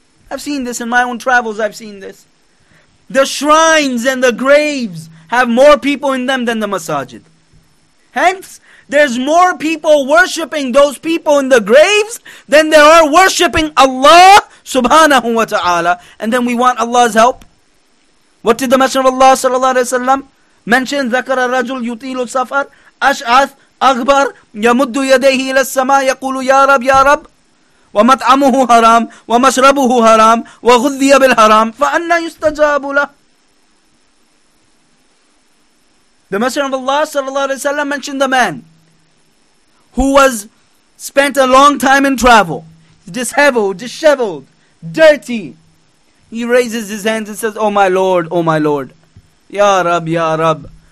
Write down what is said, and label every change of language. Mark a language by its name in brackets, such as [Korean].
[English] I've seen this in my own travels. I've seen this. The shrines and the graves have more people in them than the masajid. Hence, there's more people worshipping those people in the graves than there are worshipping Allah subhanahu wa ta'ala. And then we want Allah's help. What did the Messenger of Allah sallallahu alayhi wa sallam mention? [Arabic] ذكر الرجل يطيل السفر أشعث أغبر يمد يديه إلى السماء يقول يا رب يا رب ومطعمه حرام ومشربه حرام وغذي بالحرام فأنا يستجاب له. [English] The Messenger of Allah sallallahu alayhi wa sallam mentioned the man who was spent a long time in travel, disheveled, disheveled, dirty. He raises his hands and says, oh my Lord, Ya Rab, Ya Rab.